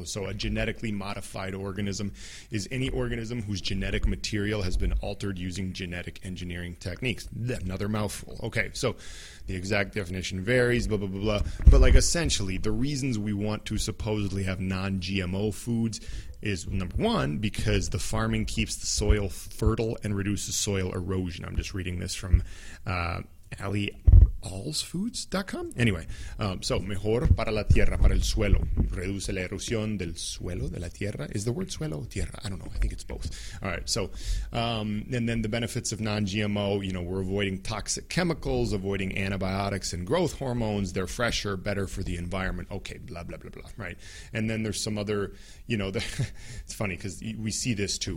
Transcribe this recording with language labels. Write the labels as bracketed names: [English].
[English] So a genetically modified organism is any organism whose genetic material has been altered using genetic engineering techniques. Another mouthful. Okay, so The exact definition varies, blah, blah, blah, blah. But, like, essentially, the reasons we want to supposedly have non-GMO foods is, number one, because the farming keeps the soil fertile and reduces soil erosion. I'm just reading this from AliAllsFoods.com. Anyway, so [Spanish] mejor para la tierra, para el suelo. Reduce la erosión del suelo, de la tierra. [English] Is the word suelo tierra? I don't know. I think it's both. All right, so, and then the benefits of non-GMO, you know, we're avoiding toxic chemicals, avoiding antibiotics and growth hormones. They're fresher, better for the environment. Okay, blah, blah, blah, blah, right? And then there's some other, you know, the, it's funny because we see this too.